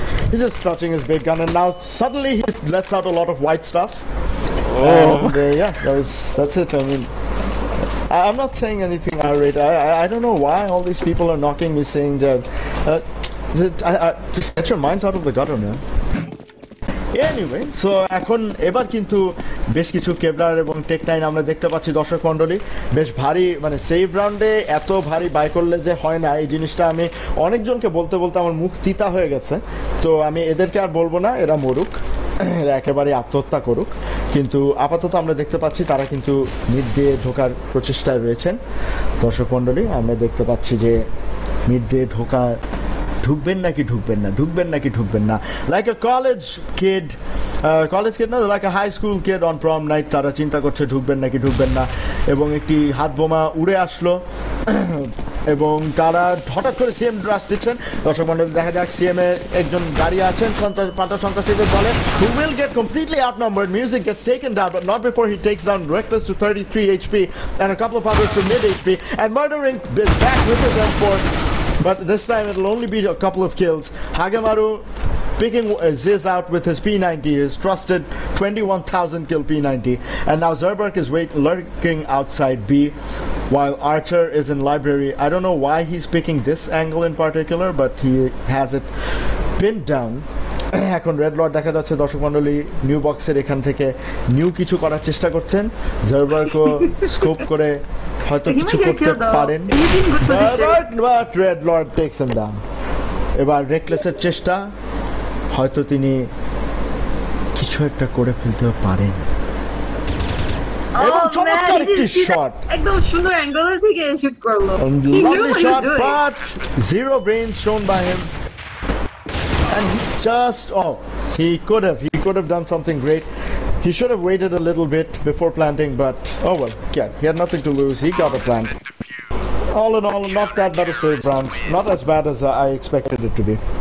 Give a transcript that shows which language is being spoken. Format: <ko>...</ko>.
<en>He's just touching his big gun, and now suddenly he lets out a lot of white stuff. Oh. And, that's it. I mean, I'm not saying anything irate. I don't know why all these people are knocking me, saying that. Just get your minds out of the gutter, man. Anyway, so</en> <bn>এখন এবার কিন্তু বেশ কিছু কেবলার এবং টেকটাইন আমরা দেখতে পাচ্ছি দর্শক মণ্ডলী বেশ ভারী মানে সেভ রাউন্ডে এত ভারী বাই করলে যে হয় না এই জিনিসটা আমি অনেকজনকে বলতে বলতে আমার মুখ তিতা হয়ে গেছে তো আমি এদেরকে আর বলবো না এরা মরুক এরা একেবারে আত্মহত্যা করুক কিন্তু আপাতত আমরা দেখতে পাচ্ছি তারা কিন্তু মিড দিয়ে ঢোকার প্রচেষ্টায় রয়েছেন দর্শক মণ্ডলী আমরা দেখতে পাচ্ছি যে মিড দিয়ে ঢোকা ঢুকবেন নাকি ঢুকবেন না</bn> <en>like a college kid</en> <bn>না</bn> <en>like a high school kid on prom night</en> <bn>তারা চিন্তা করছে ঢুকবেন নাকি ঢুকবেন না এবং একটি হাত বোমা উড়ে আসলো এবং তারা হঠাৎ করে সিএম ড্রাস দিচ্ছেন দর্শক মণ্ডল দেখা যাক সিএম এর একজন দাঁড়িয়ে আছেন সন্ত্রাসীদের দলে</bn> <en>Who will get completely out number music Gates taken down but not before he tax down reckless two 33 HP and a couple of others to mid HP and মার্ডারিং is back with his M4 But this time it'll only be a couple of kills. Hagemaru picking Ziz out with his P90, his trusted 21,000 kill P90. And now Zerberk is lurking outside B while Archer is in library. I don't know why he's picking this angle in particular, but he has it pinned down.</en> <bn>এখন red Lord দেখা যাচ্ছে দর্শক মন্ডলী new বক্সের এখান থেকে new কিছু করার চেষ্টা করছেন জারবার্কও স্কোপ করে হয়তো কিছু করতে পারেন</bn> <en>but Red Lord takes him down</en> <bn>এবার রেকলেসের চেষ্টা হয়তো তিনি কিছু একটা করে ফেলতে পারেন এবং চমৎকার একটি শট একদম সুন্দর অ্যাঙ্গেল থেকে শুট করলো lovely shot</bn> <en>But zero brain shown by him And he just, he could have done something great. He should have waited a little bit before planting, but oh well, yeah, he had nothing to lose. He got a plant. All in all, not that bad a save round. Not as bad as I expected it to be.</en>